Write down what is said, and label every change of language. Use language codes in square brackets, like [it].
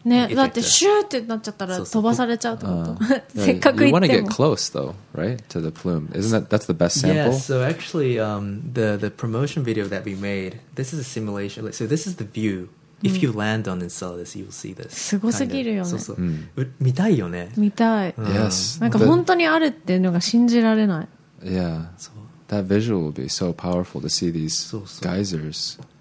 [ja] ね、だってシューってなっちゃったら飛ばされちゃうってこと。せっかく行っても。 [en] You want to get close though, right? To the plume. Isn't that's the best sample? Yeah, so actually, the promotion video that we made, this is a simulation. So this is the view. If you land on Enceladus, you will see this. [ja] すごすぎるよね。そうそう。見たいよね。見たい。 [en] Yes. [ja] なんか本当にあるっていうのが信じられない。 [en] Yeah. So that visual will be so powerful to see these geysers.